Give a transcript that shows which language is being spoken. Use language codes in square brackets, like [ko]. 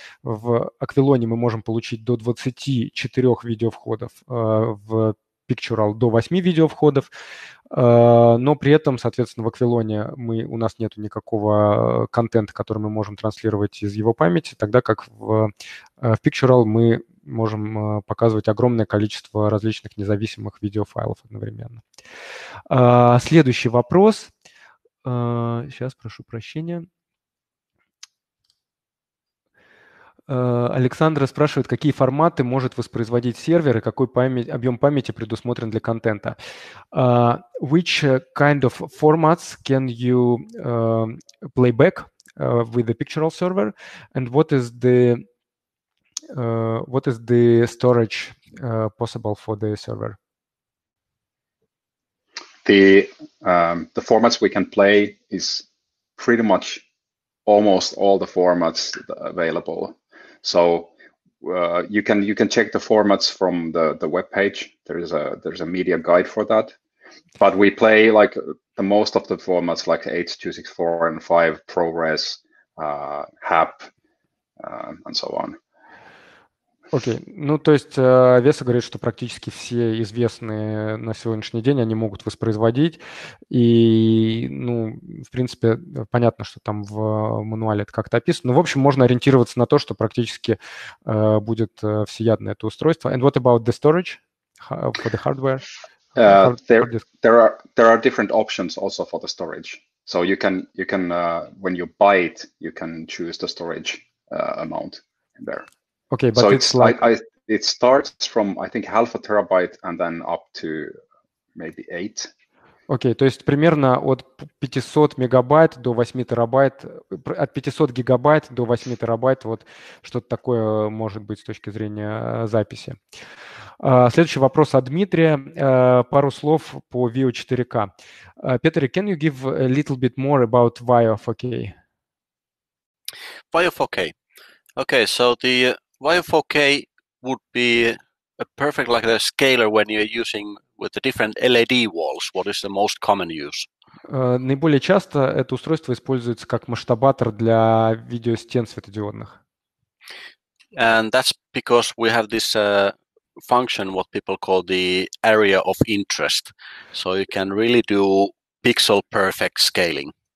[ru] В аквилоне мы можем получить до 24 видеовходов, в пикчурал до 8 видеовходов, но при этом, соответственно, в аквилоне у нас нет никакого контента, который мы можем транслировать из его памяти, тогда как в пикчурал мы можем показывать огромное количество различных независимых видеофайлов одновременно. Следующий вопрос. Сейчас прошу прощения. Александра спрашивает, какие форматы может воспроизводить сервер и какой объем памяти предусмотрен для контента. [en] Which kind of formats can you playback with the Picturall server? And what is the... what is the storage possible for the server? The formats we can play is pretty much almost all the formats available. So you can check the formats from the web page. There's a media guide for that. But we play like the most of the formats, like 8.264 and 5, ProRes, HAP, and so on. [ru] Окей. То есть Веса говорит, что практически все известные на сегодняшний день они могут воспроизводить. И, в принципе, понятно, что там в мануале это как-то описано. Но, в общем, можно ориентироваться на то, что практически будет всеядное это устройство. [en] And what about the storage for the hardware? There are different options also for the storage. So you can when you buy it, you can choose the storage amount there. Okay, but so it starts from, I think, half a terabyte and then up to maybe 8. [ru] Okay, то есть примерно от 500 мегабайт до 8 терабайт, от 500 гигабайт до 8 терабайт, вот что-то такое может быть с точки зрения записи. Следующий вопрос от Дмитрия. Пару слов по VIO 4K. [en] Peter, can you give a little bit more about VIO 4K? VIO 4K. Okay, so the VIO 4K would be a perfect like a scaler when you're using with the different LED walls. What is the most common use? [ru] Наиболее часто это устройство используется как масштабатор для видеостен светодиодных. [en] And that's because we have this function what people call the area of interest. So you can really do pixel perfect scaling.